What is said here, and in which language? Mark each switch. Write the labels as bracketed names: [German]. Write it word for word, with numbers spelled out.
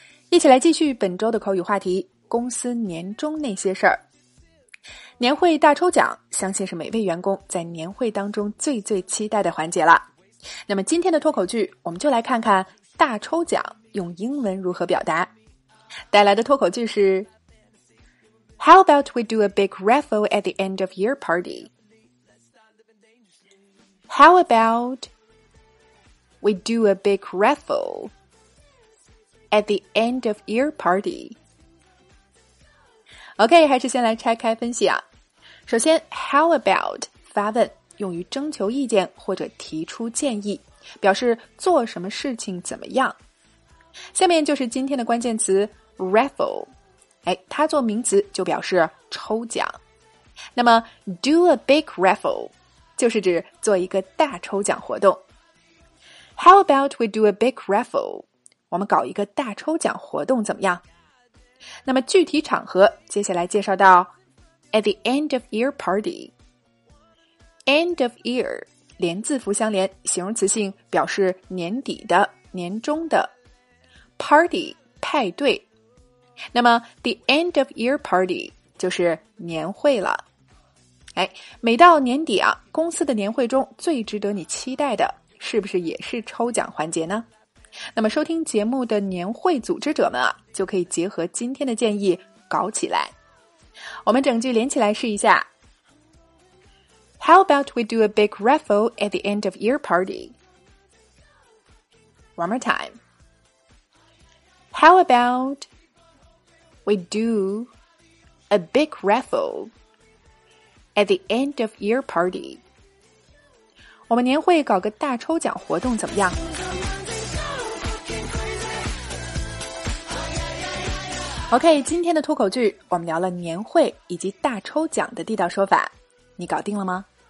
[Chinese] 一起来继续本周的口语话题，公司年终那些事儿。年会大抽奖，相信是每位员工在年会当中最最期待的环节了。那么今天的脱口剧，我们就来看看大抽奖用英文如何表达。带来的脱口剧是 [English] How about we do a big raffle at the end of year party? How about we do a big raffle at the end of year party? [Chinese] OK， 还是先来拆开分析啊。首先 ，How about 发问，用于征求意见或者提出建议，表示做什么事情怎么样。下面就是今天的关键词 raffle， 哎，它做名词就表示抽奖。 [English] 那么 ，do a big raffle。 [Chinese] 就是指做一个大抽奖活动。 [English] How about we do a big raffle? [Chinese] 我们搞一个大抽奖活动怎么样？那么具体场合，接下来介绍到 [English] at the end of year party. [Chinese] End of year 连字符相连，形容词性表示年底的、年终的。 Party 派对。那么 the end of year party 就是年会了。哎，每到年底啊，公司的年会中最值得你期待的，是不是也是抽奖环节呢？那么收听节目的年会组织者们啊，就可以结合今天的建议搞起来。我们整句连起来试一下。 [English] How about we do a big raffle at the end of year party? One more time. How about we do a big raffle? At the end of year party. [Chinese] 我们年会搞个大抽奖活动怎么样？ OK， 今天的脱口剧我们聊了年会以及大抽奖的地道说法，你搞定了吗？